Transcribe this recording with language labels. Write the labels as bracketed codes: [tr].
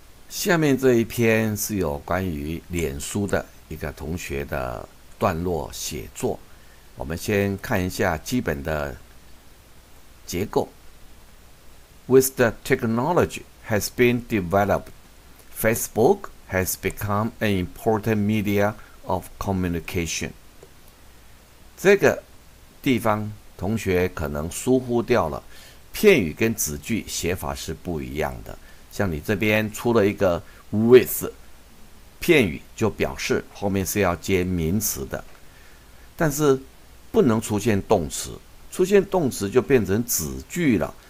[zh] 下面这一篇是有关于脸书的一个同学的段落写作，我们先看一下基本的结构。 [en] With the technology has been developed, Facebook has become an important media of communication. [zh] 这个地方同学可能疏忽掉了，片语跟子句写法是不一样的。像你这边出了一个 with， 片语就表示后面是要接名词的，但是不能出现动词，出现动词就变成子句了。